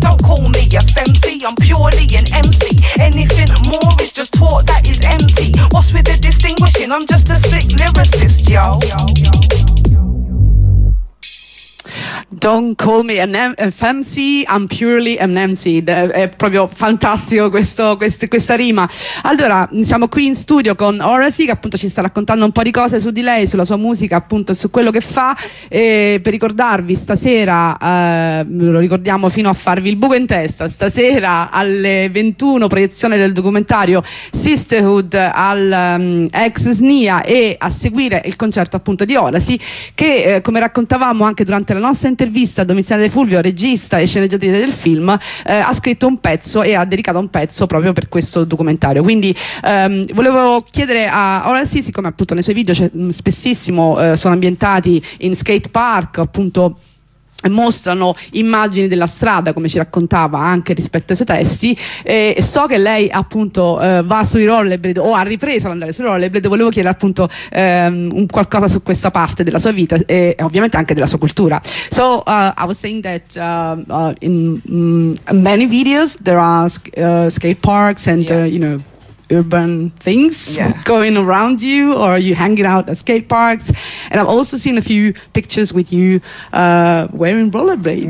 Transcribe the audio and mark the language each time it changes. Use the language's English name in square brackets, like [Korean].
[English] Don't call me a femcee, I'm purely an MC. Anything more is just talk that is empty. What's with the distinguishing? I'm just a sick lyricist, yo. Don't call me an FMC, I'm purely an MC. [Italian] È proprio fantastico questa rima. Allora, siamo qui in studio con Oracy, che appunto ci sta raccontando un po' di cose su di lei, sulla sua musica, appunto, su quello che fa. E per ricordarvi, stasera, lo ricordiamo fino a farvi il buco in testa, stasera alle 21, proiezione del documentario Sisterhood al ex SNIA, e a seguire il concerto appunto di Oracy, che come raccontavamo anche durante la nostra intervista, Domiziana De Fulvio, regista e sceneggiatrice del film, ha scritto un pezzo e ha dedicato un pezzo proprio per questo documentario. Quindi volevo chiedere a Oracy, siccome appunto nei suoi video spessissimo sono ambientati in skate park, appunto mostrano immagini della strada, come ci raccontava anche rispetto ai suoi testi, e so che lei appunto va sui rollerblade o ha ripreso ad andare sui rollerblade. Volevo chiedere appunto un qualcosa su questa parte della sua vita e ovviamente anche della sua cultura. [English] So I was saying that in many videos there are skate parks and yeah. You know, urban things going around you, or are you hanging out at skate parks? And I've also seen a few pictures with you wearing rollerblades.